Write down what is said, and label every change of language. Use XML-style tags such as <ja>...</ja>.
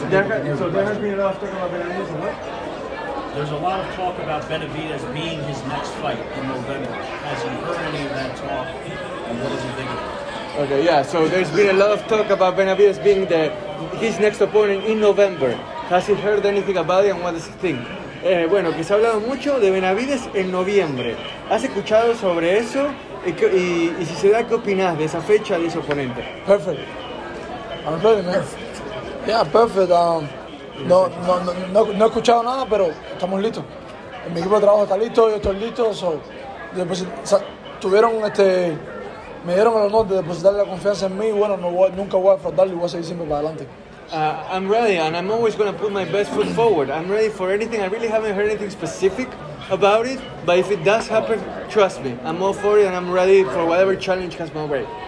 <en>So there has been a lot of talk about Benavidez and what? There's a lot of talk about Benavidez being his next fight in November. Has he heard any of that talk, and what does he think of it? Okay, yeah, so there's been a lot of talk about Benavidez being the his next opponent in November. Has he heard anything about it, and what does he think?</en> <es>Bueno, que se ha hablado mucho de Benavidez en noviembre. ¿Has escuchado sobre eso? Y si se da, ¿qué opinas de esa fecha de ese oponente?</es> <en>Perfect. I'm good, man. Perfect. Yeah, perfect.</en> <es>No he escuchado nada, pero estamos listos. En mi equipo de trabajo está listo, yo estoy listo. So, después, o sea, tuvieron este... Me dieron el honor de depositar la confianza en mí. Bueno, no voy, nunca voy a fraudarlo y voy a seguir siempre para adelante.</es> <en>I'm ready, and I'm always going to put my best foot forward. I'm ready for anything. I really haven't heard anything specific about it, but if it does happen, trust me. I'm all for it, and I'm ready for whatever challenge has my way.</en>